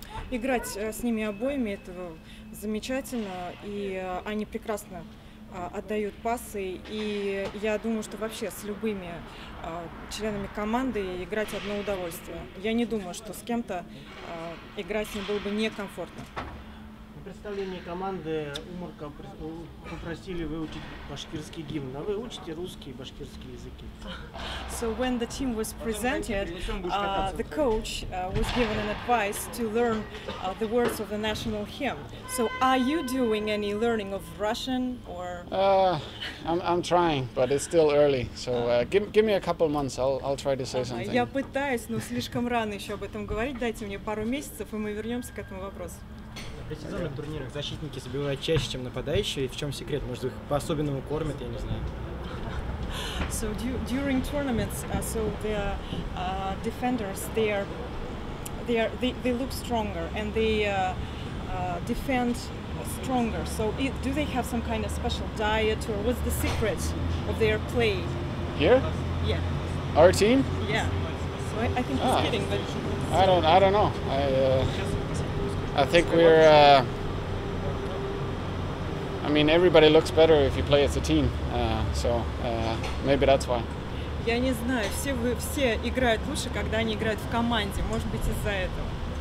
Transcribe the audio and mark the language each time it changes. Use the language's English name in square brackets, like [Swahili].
[Russian] Играть с ними обоими это замечательно, и они прекрасно отдают пасы, и я думаю, что вообще с любыми членами команды играть одно удовольствие. Я не думаю, что с кем-то играть не было бы некомфортно. На представлении команды Умарка попросили выучить башкирский гимн. А вы учите русский и башкирский языки? [English] So when the team was presented, the coach was given an advice to learn the words of the national hymn. So are you doing any learning of Russian or? I'm trying, but it's still early. So give me a couple months. I'll try to say something. [Russian] Я пытаюсь, но слишком рано еще об этом говорить. Дайте мне пару месяцев, и мы вернемся к этому вопросу. В предсезонных турнирах защитники забивают чаще, чем нападающие. В чем секрет? Может, их по-особенному кормят, я не знаю. [English] So during tournaments, so the defenders they look stronger and they defend stronger. So do they have some kind of special diet or what's the secret of their play? Here? Yeah. Our team? Yeah. So I think he's kidding, but I don't know. I think we're, I mean, everybody looks better if you play as a team, so maybe that's why. [Russian] Я не знаю, все играют лучше, когда они играют в команде, может быть, из-за этого.